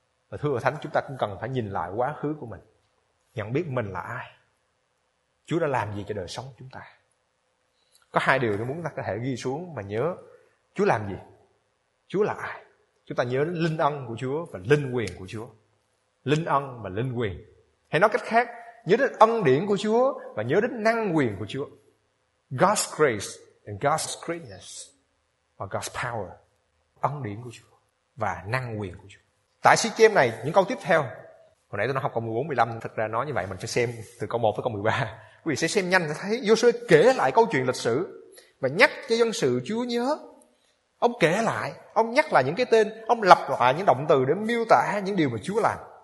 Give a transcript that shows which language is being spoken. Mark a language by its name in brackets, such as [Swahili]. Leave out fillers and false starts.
[Vietnamese] Và thưa Thánh, chúng ta cũng cần phải nhìn lại quá khứ của mình, nhận biết mình là ai, Chúa đã làm gì cho đời sống chúng ta. Có hai điều tôi muốn ta có thể ghi xuống mà nhớ: Chúa làm gì, Chúa là ai. Chúng ta nhớ đến linh ân của Chúa và linh quyền của Chúa. Linh ân và linh quyền. Hay nói cách khác, nhớ đến ân điển của Chúa và nhớ đến năng quyền của Chúa. [English] God's grace and God's greatness or God's power. [Vietnamese] Ân điển của Chúa và năng quyền của Chúa. Tại Sichem này, những câu tiếp theo. Hồi nãy tôi nói học câu 14, 15. Thật ra nói như vậy, mình phải xem từ câu 1 tới câu 13. Quý vị sẽ xem nhanh, sẽ thấy Giô-suê kể lại câu chuyện lịch sử và nhắc cho dân sự Chúa nhớ. Ông kể lại, ông nhắc lại những cái tên, ông lặp lại những động từ để miêu tả những điều mà Chúa làm.